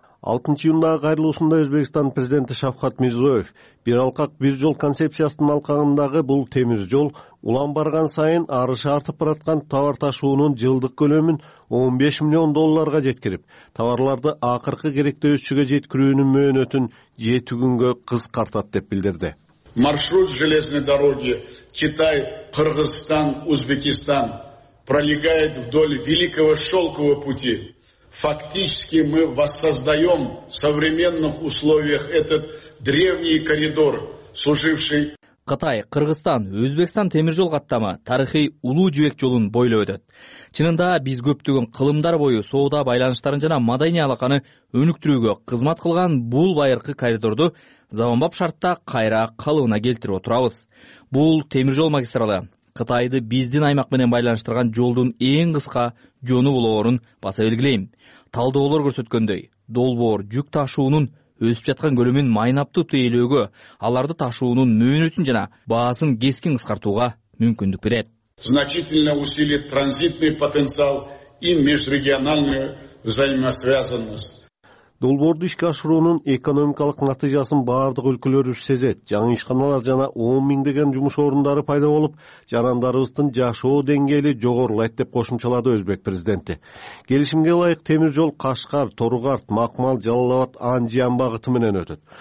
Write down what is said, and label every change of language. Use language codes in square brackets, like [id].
[ky] 6-июндагы кайрылуусунда Өзбекстан президенти Шавкат Мирзиёев бир алкак бир жол концепциясынын алкагындагы бул темир жол улам барган сайын арышы артып бараткан товар ташуунун жылдык көлөмүн 15 миллион долларга жеткирип, товарларды акыркы керектөөчүгө жеткирүүнүн мөөнөтүн 7 күнгө кыскартат деп билдирди. [ru] Маршрут железной дороги Китай, Кыргызстан, Узбекистан пролегает вдоль Великого шелкового пути. Фактически мы воссоздаем в современных условиях этот древний коридор, служивший... [ky] Кытай, Кыргызстан, Өзбекстан темир жол каттамы тарыхый улуу жүрөк жолун бойлой өтөт. Чынында биз көптөгөн кылымдар бою соода байланыштарын жана маданий алаканы өнүктүрүүгө кызмат кылган бул байыркы коридорду заманбап шартта кайра калыбына келтирип отурабыз. Бул темир жол магистралы Кытайды биздин аймак менен байланыштырган жолдун эң кыска жону болоорун баса белгилейм. Талдоолор көрсөткөндөй, долбоор жүк ташуунун өсүп жаткан көлөмүн майнаптуу тейлөөгө, аларды ташуунун мөөнөтүн жана баасын кескин кыскартууга мүмкүндүк берет. [ru] Значительно усилит транзитный потенциал и межрегиональную взаимосвязанность. [ky] Долбоорду ишке ашыруунун экономикалык натыйжасын баардык өлкөлөр сезет. Жаңы ишканалар жана 10 миңдеген жумуш орундары пайда болуп, жарандарыбыздын жашоо деңгээли жогорулайт деп кошумчалады Өзбек президенти. Келишимге ылайык темир жол Кашкар, Торугарт, Макмал, Жалалабад, Анжиян багыты менен өтөт.